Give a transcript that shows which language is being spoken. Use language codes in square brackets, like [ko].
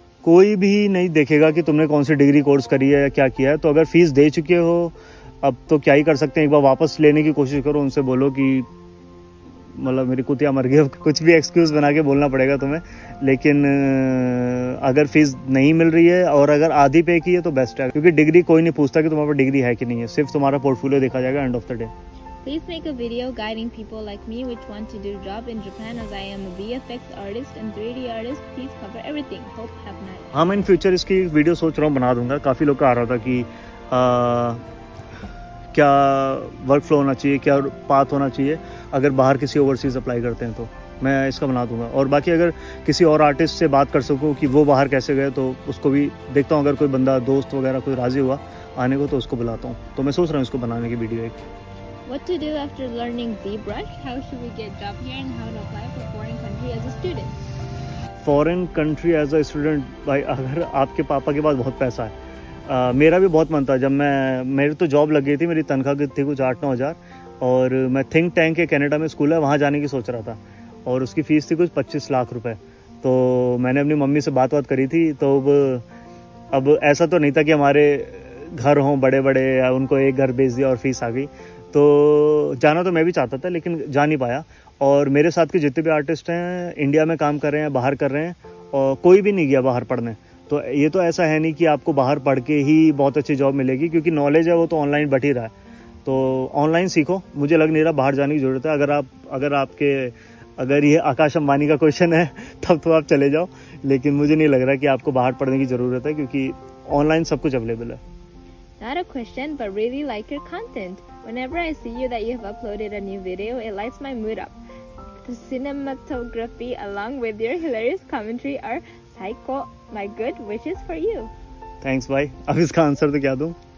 [hi] कोई भी नहीं देखेगा कि तुमने कौन सी डिग्री कोर्स करी है या क्या किया है, तो अगर फीस दे चुके हो अब तो क्या ही कर सकते हैं, एक बार वापस लेने की कोशिश करो, उनसे बोलो कि मतलब मेरी कुतिया मर गई, कुछ भी एक्सक्यूज बना के बोलना पड़ेगा तुम्हें। लेकिन अगर फीस नहीं मिल रही है और अगर आधी पे की है तो बेस्ट है, क्योंकि डिग्री कोई नहीं पूछता कि तुम्हारे पास डिग्री है कि नहीं है, सिर्फ तुम्हारा पोर्टफोलियो देखा जाएगा end of the day. [en] Please make a video guiding people like me which want to do a job in Japan, as I am a VFX artist and 3D artist. Please cover everything. Hope have nice. [hi] हाँ, मैं in future इसकी video सोच रहा हूँ बना दूंगा। काफी लोग आ रहा था कि क्या वर्क फ्लो होना चाहिए, क्या पाथ होना चाहिए अगर बाहर किसी ओवरसीज अप्लाई करते हैं, तो मैं इसका बना दूंगा। और बाकी अगर किसी और आर्टिस्ट से बात कर सकूँ कि वो बाहर कैसे गए तो उसको भी देखता हूँ, अगर कोई बंदा दोस्त वगैरह कोई राजी हुआ आने को तो उसको बुलाता हूँ। तो मैं सोच रहा हूँ इसको बनाने की वीडियो एक। [en] What to do after learning ZBrush? How should we get job here and how to apply for foreign country as a student? Foreign country as a student, [hi] भाई अगर आपके पापा के पास बहुत पैसा है, मेरा भी बहुत मन था जब मेरी तो जॉब लग गई थी, मेरी तनख्वाह की थी कुछ 8-9 हज़ार, और मैं थिंक टैंक के कनाडा में स्कूल है वहाँ जाने की सोच रहा था, और उसकी फ़ीस थी कुछ 25 लाख रुपए। तो मैंने अपनी मम्मी से बात बात करी थी, तो अब ऐसा तो नहीं था कि हमारे घर हों बड़े बड़े या उनको एक घर भेज दिया और फीस आ गई, तो जाना तो मैं भी चाहता था लेकिन जा नहीं पाया। और मेरे साथ के जितने भी आर्टिस्ट हैं इंडिया में काम कर रहे हैं, बाहर कर रहे हैं, और कोई भी नहीं गया बाहर पढ़ने, तो ये तो ऐसा है नहीं कि आपको बाहर पढ़ के ही बहुत अच्छी जॉब मिलेगी, क्योंकि नॉलेज है वो तो ऑनलाइन बट ही रहा है, तो ऑनलाइन सीखो। मुझे लग नहीं रहा बाहर जाने की ज़रूरत है। अगर ये आकाश अंबानी का क्वेश्चन है तब तो आप चले जाओ, लेकिन मुझे नहीं लग रहा कि आपको बाहर पढ़ने की ज़रूरत है, क्योंकि ऑनलाइन सब कुछ अवेलेबल है। [en] Not a question, but really like your content. Whenever I see you that you have uploaded a new video, it lights my mood up. The cinematography along with your hilarious commentary are psycho. My good wishes for you. Thanks, bhai. [hi] Ab iska answer to kya dun?